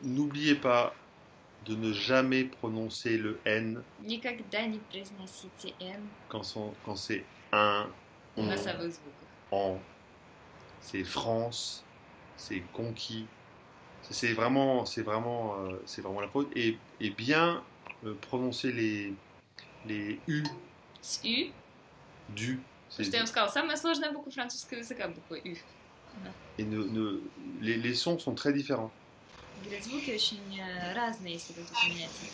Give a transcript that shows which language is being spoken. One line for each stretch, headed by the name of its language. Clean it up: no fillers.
French: N'oubliez pas de ne jamais prononcer le N.
Russian: Никогда не произносите N.
French: Quand c'est un, on. Moi, ça bosse beaucoup. En. C'est France, c'est conquis. C'est vraiment la faute. Et bien prononcer les U. C'est U. Du. Beaucoup U. Et les sons sont très différents.
Russian: Les звуки очень разные, если вы поменяете.